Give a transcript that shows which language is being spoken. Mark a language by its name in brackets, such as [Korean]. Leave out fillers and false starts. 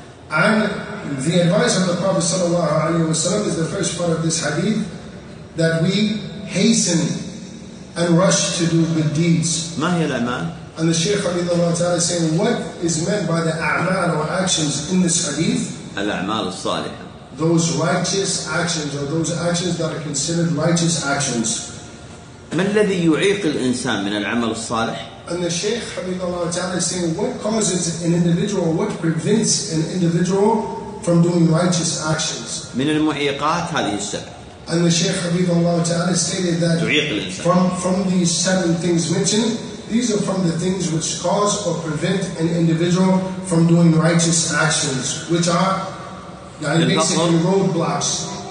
[English] And the advice of the Prophet ﷺ is the first part of this hadith, that we hasten and rush to do good deeds. [Arabic] ما هي الأعمال؟ [English] And the Shaykh [Arabic] حفظه الله تعالى [English] is saying, what is meant by the أعمال or actions in this hadith? [Arabic] الأعمال الصالحة. [English] Those righteous actions or those actions that are considered righteous actions. [Arabic] ما الذي يعيق الإنسان من العمل الصالح؟ [English] And the Shaykh [Arabic] حفظه الله تعالى [English] is saying, what causes an individual, what prevents an individual from doing righteous actions? [Arabic] من المعيقات هذه السبع. [English] And the Shaykh [Arabic] حفظه الله تعالى [English] stated that from these seven things mentioned, these are from the things which cause or prevent an individual from doing righteous actions, which are basically roadblocks.